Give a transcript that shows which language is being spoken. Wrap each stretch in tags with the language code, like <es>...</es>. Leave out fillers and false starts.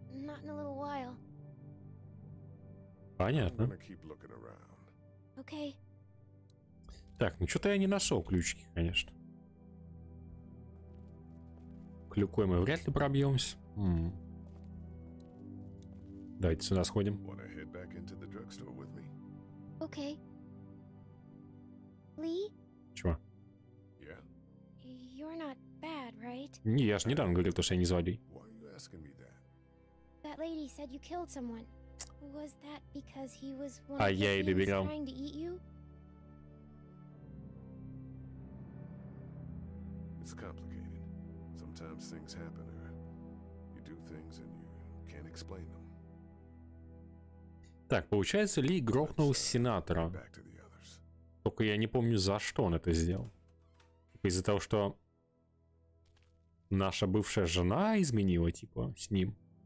<en>Not in a little while.</en> <ru>Понятно.</ru> <en>I'm gonna keep looking around. Okay.</en> <ru>Так, ну что-то я не нашел ключики, конечно. Клюкой мы вряд ли пробьемся. Давайте сюда сходим.</ru> <en>Wanna head back into the drugstore with me? Okay. Lee?</en> <ru>Чего?</ru> <en>You're not bad, right?</en> <ru>Не, я ж недавно говорил, то, что я не злодей.</ru> <en>Why are you asking me that? That lady said you killed someone. Was that because he was one of the things trying to eat you? It's complicated. Sometimes things happen, or you do things and you can't explain them.</en> <ru>Так, получается, Ли грохнул сенатора. Только я не помню, за что он это сделал. Из-за того, что наша бывшая жена изменила, типа, с ним.</ru>